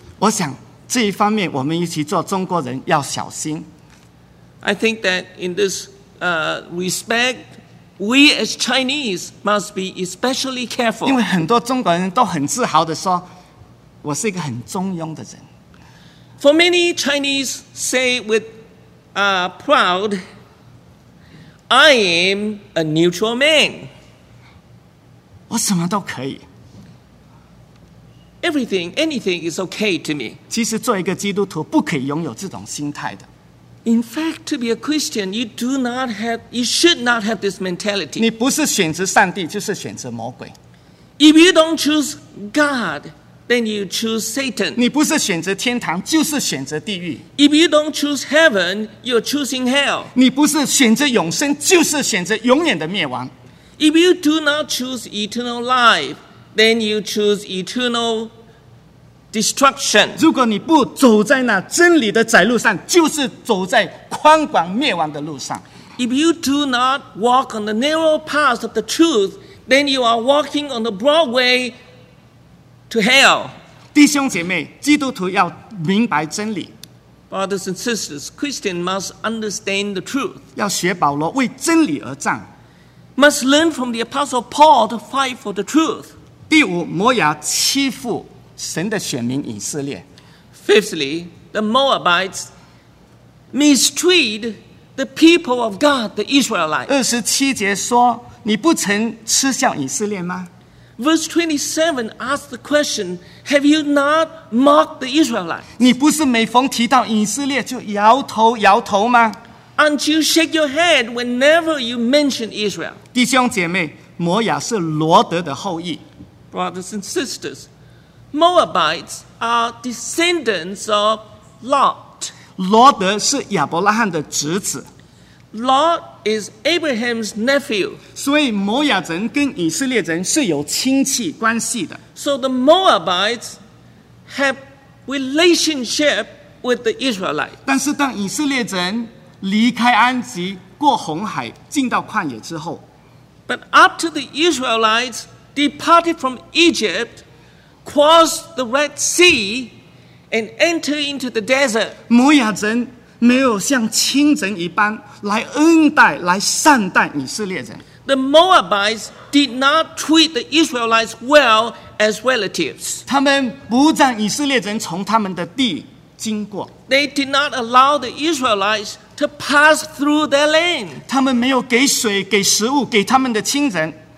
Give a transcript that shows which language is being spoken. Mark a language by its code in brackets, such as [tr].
[zh] 我想这一方面，我们一起做中国人要小心。 [en] I think that in this respect. We as Chinese must be especially careful. [zh] 因为很多中国人都很自豪地说，我是一个很中庸的人。 [en] For many Chinese say with proud, I am a neutral man. [zh] 我什么都可以。 [en] Everything, anything is okay to me. [zh] 其实做一个基督徒不可以拥有这种心态的。 [en] In fact, to be a Christian, you do not have, you should not have this mentality. [zh] 你不是选择上帝，就是选择魔鬼。 [en] If you don't choose God, then you choose Satan. [zh] 你不是选择天堂，就是选择地狱。 [en] If you don't choose heaven, you're choosing hell. [zh] 你不是选择永生，就是选择永远的灭亡。 [en] If you do not choose eternal life, then you choose eternal. Destruction. [zh] 如果你不走在那真理的窄路上，就是走在宽广灭亡的路上。 [en] If you do not walk on the narrow path of the truth, then you are walking on the broad way to hell. [zh] 弟兄姐妹，基督徒要明白真理。 [en] Brothers and sisters, Christians must understand the truth. [zh] 要学保罗为真理而战。 [en] Must learn from the Apostle Paul to fight for the truth. [zh] 第五，摩押欺负。神的选民以色列。 [en] Fifthly, the Moabites mistreat the people of God, the Israelites. [zh] 二十七节说：“你不曾嗤笑以色列吗 [en] ？”Verse 27 asks the question: Have you not mocked the Israelites? [zh] 你不是每逢提到以色列就摇头摇头吗 [en] ？Aren't you shake your head whenever you mention Israel? [zh] 弟兄姐妹，摩押是罗德的后裔。 [en] Brothers and sisters. Moabites are descendants of Lot. [zh] 罗德是亚伯拉罕的侄子。 [en] Lot is Abraham's nephew. [zh] 所以摩押人跟以色列人是有亲戚关系的。 [en] So the Moabites have relationship with the Israelites. [zh] 但是当以色列人离开埃及过红海进到旷野之后 [en] ，But after the Israelites departed from Egypt. Cross the Red Sea and enter into the desert. [zh] 摩押人没有像亲人一般来恩待、来善待以色列人。 [en] The Moabites did not treat the Israelites well as relatives. [zh] 他们不让以色列人从他们的地经过。 [en] They did not allow the Israelites to pass through their land. [zh] 他们没有给水、给食物给他们的亲人。